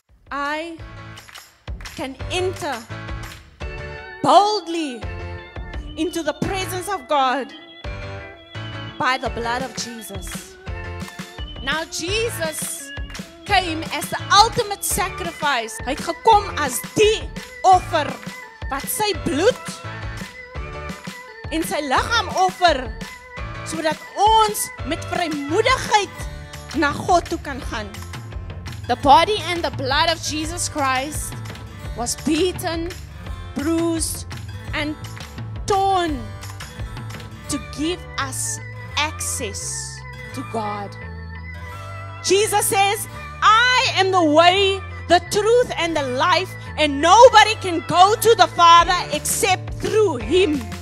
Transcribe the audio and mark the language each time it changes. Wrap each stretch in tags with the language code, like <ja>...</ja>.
<en>I can enter boldly into the presence of God by the blood of Jesus. Now Jesus came as the ultimate sacrifice.</en> <af>Hy het gekom as die offer wat sy bloed en sy liggaam offer sodat ons met vrymoedigheid na God toe kan gaan.</af> <en>The body and the blood of Jesus Christ was beaten, bruised, and torn to give us access to God. Jesus says, I am the way, the truth, and the life, and nobody can go to the Father except through Him.</en>